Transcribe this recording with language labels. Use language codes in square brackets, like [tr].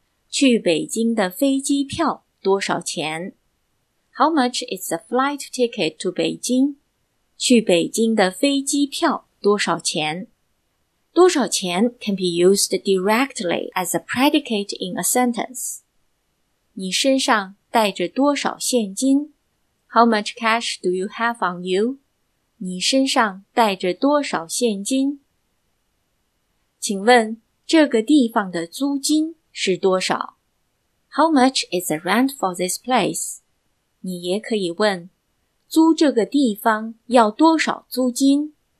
[zh] 去北京的飞机票多少钱? [en] How much is the flight ticket to Beijing? [zh] 去北京的飞机票多少钱？ [en] 多少钱 can be used directly as a predicate in a sentence. [zh] 你身上带着多少现金？ [en] How much cash do you have on you? [zh] 你身上带着多少现金？请问这个地方的租金是多少？ [en] How much is the rent for this place? [zh] 你也可以问租这个地方要多少租金？